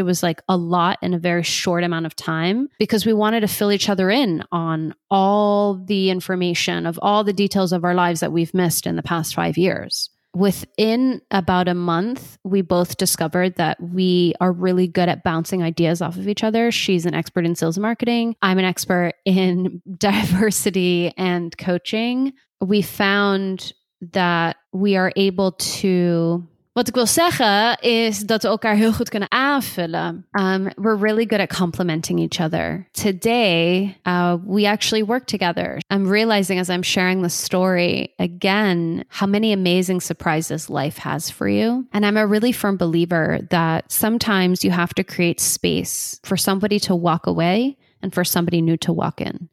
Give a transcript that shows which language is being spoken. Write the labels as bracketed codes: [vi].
[en] It was like a lot in a very short amount of time because we wanted to fill each other in on all the information of all the details of our lives that we've missed in the past 5 years. Within about a month, we both discovered that we are really good at bouncing ideas off of each other. She's an expert in sales and marketing. I'm an expert in diversity and coaching. We found that we are able to, [nl] wat ik wil zeggen is dat we elkaar heel goed kunnen aanvullen. [en] We're really good at complementing each other. Today, we actually work together. I'm realizing as I'm sharing the story again, how many amazing surprises life has for you. And I'm a really firm believer that sometimes you have to create space for somebody to walk away and for somebody new to walk in.